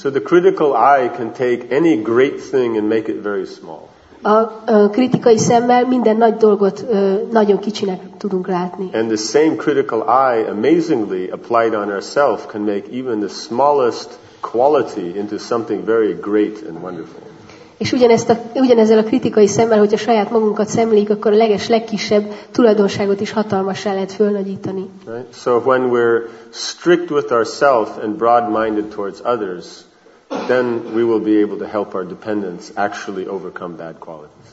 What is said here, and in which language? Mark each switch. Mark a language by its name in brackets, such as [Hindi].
[English] So the critical eye can take any great thing and make it very small. [Hungarian] A kritikai szemmel minden nagy dolgot nagyon kicsinek tudunk látni. [English] And the same critical eye, amazingly applied on ourselves, can make even the smallest quality into something very great and wonderful. [Hungarian] És ugyanezzel a kritikai szemmel, hogyha saját magunkat szemléljük, akkor a legkisebb tulajdonságot is hatalmassá lehet fölnagyítani. [English] Right? So when we're strict with ourselves and broad-minded towards others, then we will be able to help our dependents actually overcome bad qualities.